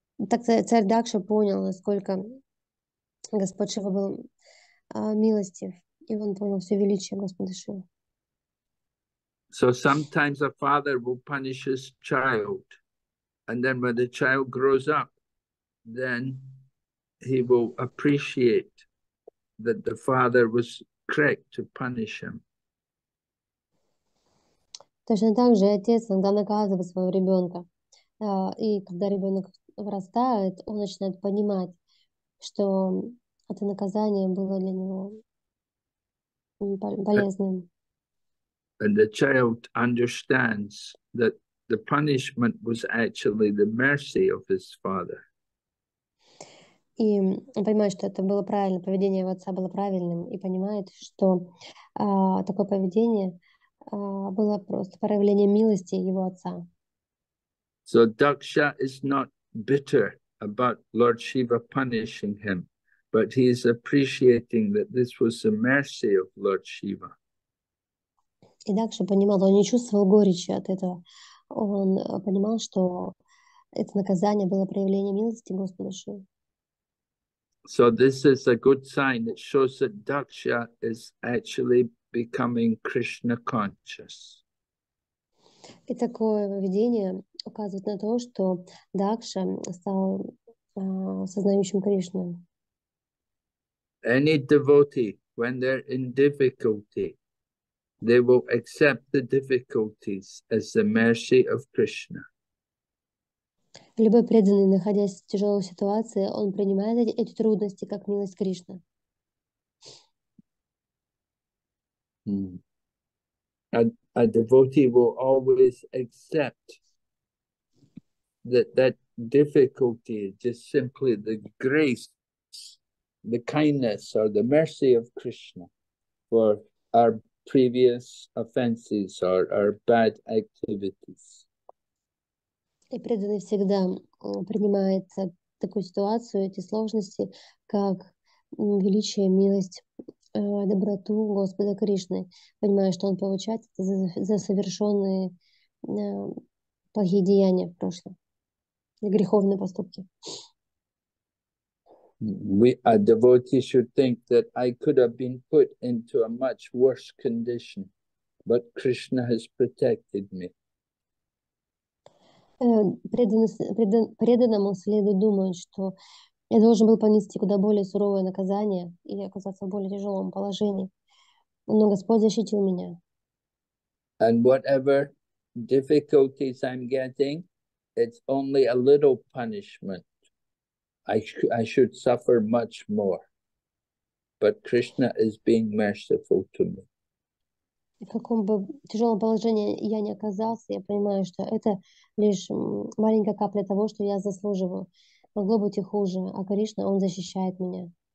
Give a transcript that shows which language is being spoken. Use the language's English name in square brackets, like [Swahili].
[Russian] Так царь Дакша понял, насколько Господь Шива был милостив, и он понял все величие Господа Шивы. [English] So sometimes a father will punish his child, and then when the child grows up, then he will appreciate that the father was correct to punish him. [Russian] Точно так же отец иногда наказывает своего ребенка. И когда ребенок вырастает, он начинает понимать, что это наказание было для него полезным. [English] And the child understands that the punishment was actually the mercy of his father. [Russian] И он понимает, что это было правильно, поведение отца было правильным, и понимает, что такое поведение было просто проявление милости его отца. [English] So Daksha is not bitter about Lord Shiva punishing him, but he is appreciating that this was the mercy of Lord Shiva. [Russian] И Дакша понимал, он не чувствовал горечи от этого. Он понимал, что это наказание было проявлением милости Господа Шивы. [English] So this is a good sign that shows that Daksha is actually becoming Krishna conscious. [Russian] И такое видение указывает на то, что Дакша стал сознающим Кришну. [English] Any devotee, when they're in difficulty, they will accept the difficulties as the mercy of Krishna. [Russian] Любой преданный, находясь в тяжелой ситуации, он принимает эти трудности как милость Кришны. [English] A devotee will always accept that that difficulty is just simply the grace, the kindness, or the mercy of Krishna for our previous offenses or our bad activities. [Russian] И преданный всегда принимает такую ситуацию, эти сложности, как величие, милость, доброту Господа Кришны, понимая, что он получает это за совершенные плохие деяния в прошлом, за греховные поступки. [English] A devotee should think that I could have been put into a much worse condition, but Krishna has protected me. [Russian] Преданному следует думать, что я должен был понести куда более суровое наказание и оказаться в более тяжелом положении, но Господь защитил меня. [English] And whatever difficulties I'm getting, it's only a little punishment. I should suffer much more, but Krishna is being merciful to me. [Russian] В каком бы тяжелом положении я ни оказался, я понимаю, что это лишь маленькая капля того, что я заслуживаю. Могло быть и хуже, а Кришна, он защищает меня.